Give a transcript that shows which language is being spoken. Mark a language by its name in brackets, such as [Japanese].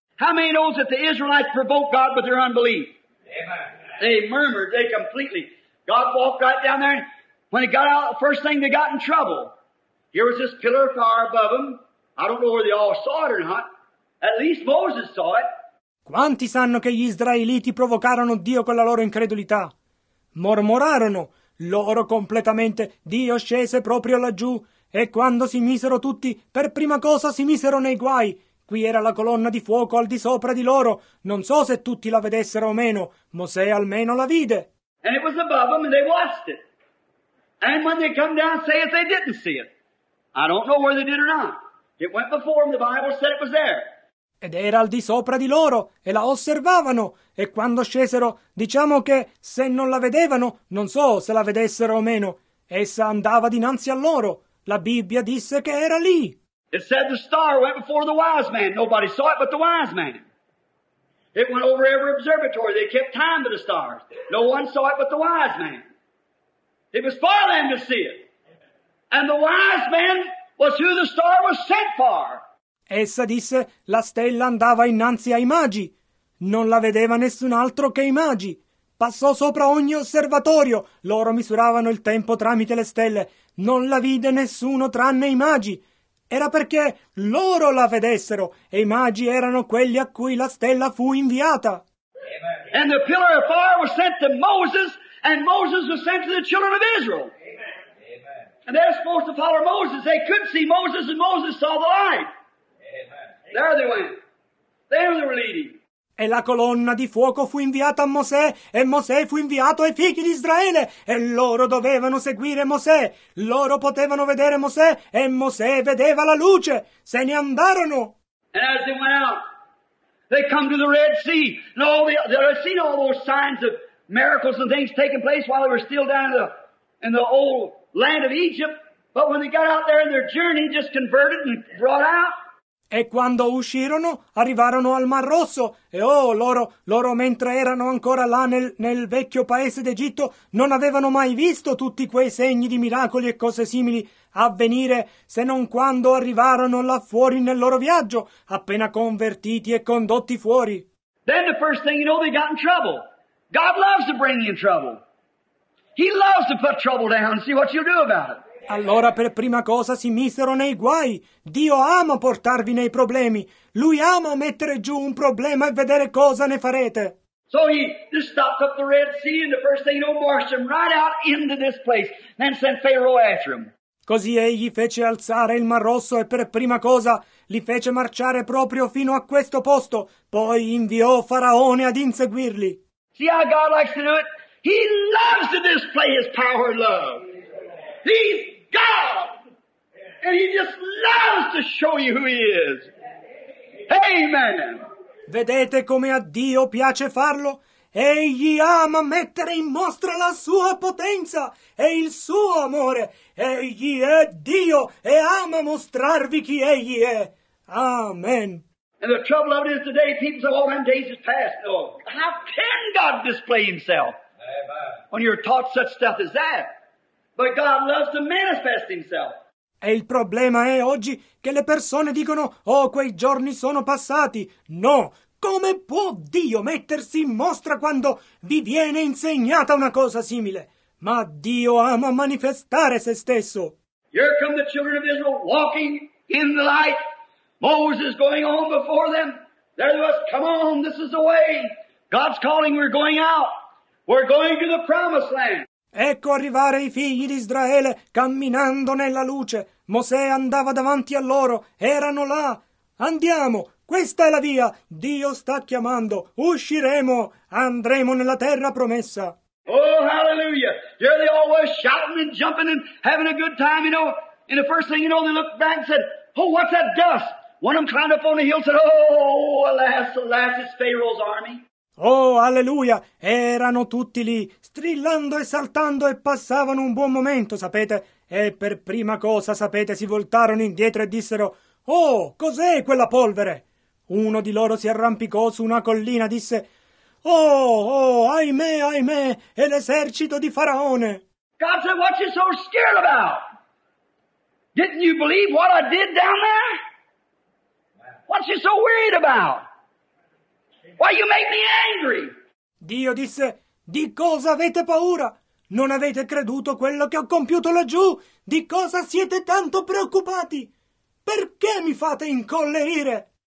[English] How many knows that the Israelites provoked God with their unbelief? They murmured, they completely. God walked right down there and when he got out, the first thing they got in trouble. Here was this pillar of fire above them. I don't know where they all saw it or not. At least Moses saw it. [Italian] Quanti sanno che gli Israeliti provocarono Dio con la loro incredulità? Mormorarono. Loro completamente. Dio scese proprio laggiù. E quando si misero tutti, per prima cosa si misero nei guai. Qui era la colonna di fuoco al di sopra di loro. Non so se tutti la vedessero o meno. Mosè almeno la vide. [English] And it was above them and they watched it. And when they come down, say if they didn't see it. I don't know where they did or not. It went before them, the Bible said it was there. [Italian] Ed era al di sopra di loro, e la osservavano. E quando scesero, diciamo che se non la vedevano, non so se la vedessero o meno. Essa andava dinanzi a loro. La Bibbia disse che era lì. [English] It said the star went before the wise man. Nobody saw it but the wise man. It went over every observatory. They kept time to the stars. No one saw it but the wise man. It was for them to see it. And the wise man was who the star was sent for. [Italian] Essa disse, la stella andava innanzi ai magi. Non la vedeva nessun altro che i magi. Passò sopra ogni osservatorio. Loro misuravano il tempo tramite le stelle. Non la vide nessuno tranne i magi. Era perché loro la vedessero. E i magi erano quelli a cui la stella fu inviata. [English] And the pillar of fire was sent to Moses. And Moses was sent to the children of Israel. Amen. And they're supposed to follow Moses. They could see Moses, and Moses saw the light. Amen. There they went. There they were leading. [Italian] E la colonna di fuoco fu inviata a Mosè, e Mosè fu inviato ai figli di Israele. E loro dovevano seguire Mosè. Loro potevano vedere Mosè, e Mosè vedeva la luce. Se ne andarono. [English] And as they went out, they come to the Red Sea. And all the, they had seen all those signs of miracles and things taking place while they were still down in the old land of Egypt, but when they got out there in their journey, just converted and brought out. [Italian] E quando uscirono, arrivarono al Mar Rosso. E oh, loro mentre erano ancora là nel vecchio paese d'Egitto, non avevano mai visto tutti quei segni di miracoli e cose simili avvenire, se non quando arrivarono là fuori nel loro viaggio, appena convertiti e condotti fuori. [English] Then the first thing you know, they got in trouble. God loves to bring you in trouble. He loves to put trouble down and see what you'll do about it. [Italian] Allora per prima cosa si misero nei guai. Dio ama portarvi nei problemi. Lui ama mettere giù un problema e vedere cosa ne farete. [English] So he just stopped up the Red Sea and the first thing he know marched them right out into this place and sent Pharaoh after him. [Italian] Così egli fece alzare il Mar Rosso e per prima cosa li fece marciare proprio fino a questo posto. Poi inviò Faraone ad inseguirli. [English] See how God likes to do it? He loves to display his power and love. He's God. And he just loves to show you who he is. Amen. [Italian] Vedete come a Dio piace farlo? Egli ama mettere in mostra la sua potenza e il suo amore. Egli è Dio e ama mostrarvi chi egli è. Amen. [English] And the trouble of it is today, people say, oh, them days is past. No. How can God display himself? Amen. When you're taught such stuff as that. But God loves to manifest himself. [Italian] E il problema è oggi che le persone dicono, oh, quei giorni sono passati. No. Come può Dio mettersi in mostra quando vi viene insegnata una cosa simile? Ma Dio ama manifestare se stesso. [English] Here come the children of Israel walking in the light. Moses going on before them. There they was, come on, this is the way. God's calling, we're going out. We're going to the promised land. [Italian] Ecco arrivare i figli di Israele camminando nella luce. Mosè andava davanti a loro, erano là. Andiamo, questa è la via, Dio sta chiamando, usciremo, andremo nella terra promessa. [English] Oh, hallelujah! There they all were shouting and jumping and having a good time, you know. And the first thing you know, they looked back and said, oh, what's that dust? One of them climbed up on the hill and said, oh, alas, alas, it's Pharaoh's army. [Italian] Oh, alleluia! Erano tutti lì, strillando e saltando e passavano un buon momento, sapete? E per prima cosa, sapete, si voltarono indietro e dissero, oh, cos'è quella polvere? Uno di loro si arrampicò su una collina e disse, oh, oh, ahimè, ahimè, è l'esercito di Faraone. [English] God said, what you so scared about? Didn't you believe what I did down there? What you so worried about? Why you make me angry? [Italian] Dio disse, di cosa avete paura? Non avete creduto quello che ho compiuto laggiù? Di cosa siete tanto preoccupati? Perché mi fate incollerire?